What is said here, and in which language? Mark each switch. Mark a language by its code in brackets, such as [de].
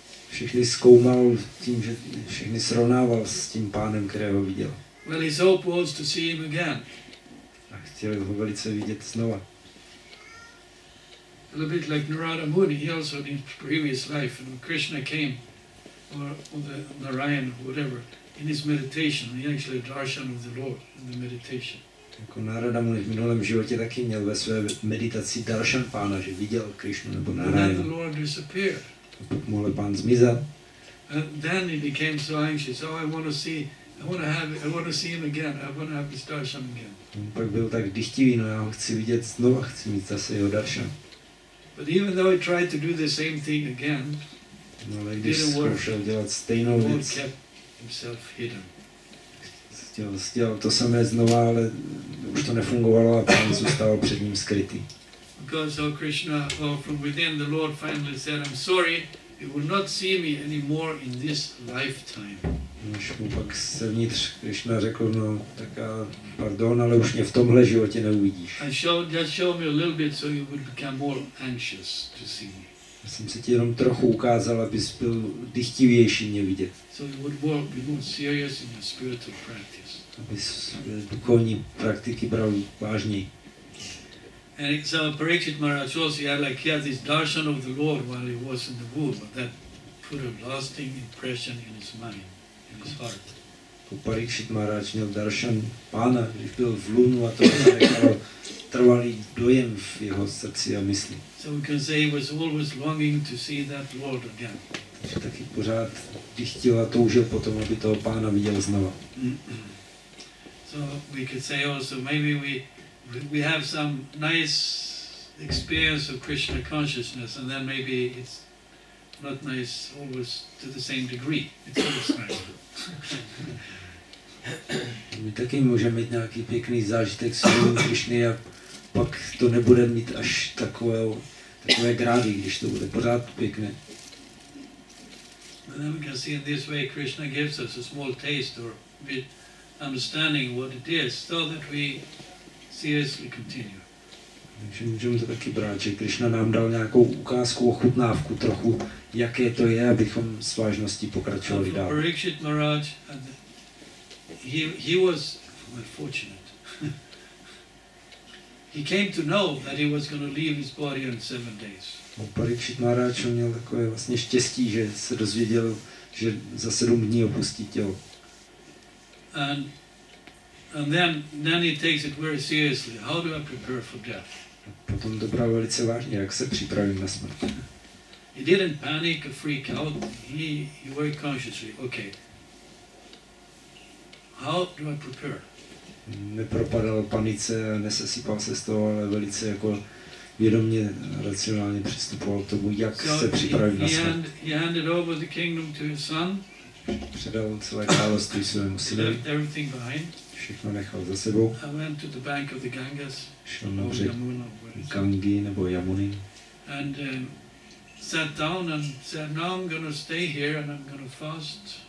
[cs] Všichni zkoumal tím, že všichni srovnával s tím pánem, kterého viděl. [en] Well, his hope was to see him again. [cs] A chtěl ho velice vidět znova. [en] A little bit like Narada Muni, he also in his previous life, and when Krishna came, or the Narayan, whatever, in his meditation. He actually had darshan of the Lord in the meditation. [cs] Jako Narada Muni v minulém životě taky měl ve své meditaci darshan pána, že viděl Krishnu nebo Narayana. Pak mu ale pán zmizel. [en] Then he became so anxious. Oh, I want to see him again. I want to have his darshan again. [cs] Pak byl tak dychtivý, no já ho chci vidět znova, chci mít zase jeho darshan. [en] But even though he tried to do the same thing again, [cs] no, ale když zkoušel dělat stejnou věc, [en] kept himself hidden. [cs] Chtěl to samé znova, ale už to nefungovalo a pán zůstal před ním skrytý. [en] Because O Krishna, or from within, the Lord finally said, I'm sorry, you will not see me anymore in this lifetime. [cs] Když mu pak zevnitř Krishna řekl, no tak a pardon, ale už mě v tomhle životě neuvidíš. [en] And show me a little bit, so you would become more anxious to see me. [cs] Já jsem se ti jenom trochu ukázal, abys byl dychtivější mě vidět. [en] So you would be more serious in your spiritual practice. [cs] Abys duchovní praktiky bral vážněji. [en] And so Parikshit Maharaj also had like here this darshan of the Lord while he was in the womb, but that put a lasting impression in his mind, in his heart. [cs] Po Parikshit Maharaj měl darshan pána, když byl v lůnu, a to nechalo trvalý dojem v jeho srdci a mysli. [en] So we can say he was always longing to see that Lord again. [cs] Takže taky pořád dychtil a toužil potom, aby toho pána viděl znova. [en] So we could say also maybe we have some nice experience of Krishna consciousness and then maybe it's not nice always to the same degree. It's always nice. [cs] My taky můžeme mít nějaký pěkný zážitek s Lord Krishna a pak to nebude mít až takové grády, když to bude pořád pěkné. [en] And then we can see in this way Krishna gives us a small taste or a bit understanding what it is, so that we seriously continue. [cs] Takže můžeme to taky brát, že Krishna nám dal nějakou ukázku, ochutnávku trochu, jaké to je, abychom s vážností pokračovali dál. [en] So Parikshit Maharaj, he was fortunate. He came to know that he was going to leave his body in 7 days. [cs] Parikshit Maharaj měl takové vlastně štěstí, že se dozvěděl, že za 7 dní opustí tělo. [en] And then he takes it very seriously. How do I prepare for death? [cs] Potom to bral velice vážně, jak se připravím na smrt. [en] He didn't panic or freak out. He very consciously, okay. How do I prepare? [cs] Nepropadal panice a nesesypal se z toho, ale velice jako vědomně racionálně přistupoval k tomu, jak se připravit na smrt. [en] He handed over the kingdom to his son. [cs] Předal celé království svému synovi. [en] Left everything behind. [cs] Všechno nechal za sebou. [en] I went to the bank of the Ganges. [cs] Šel na břeh Gangy nebo Yamuny. [en] And sat down and said, now I'm going to stay here and I'm going to fast.